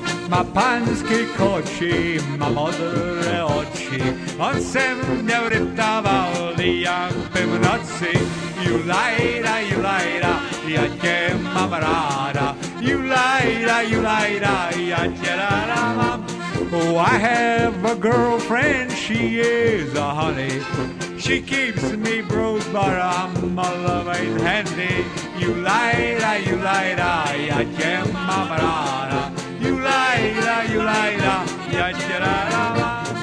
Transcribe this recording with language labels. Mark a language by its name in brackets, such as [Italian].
[Czech] a pánsky koči má modré oči. On se mě vryptával, jak by v noci. Julajda, julajda, já tě mám ráda. Julajda, julajda, já tě ráda mám. [English] Oh, I have a girlfriend, she is a honey. She keeps me bruised, but I'm a loving handy. [Czech] Julajda, julajda, já tě mám ráda. Julajda, julajda, já tě ráda mám.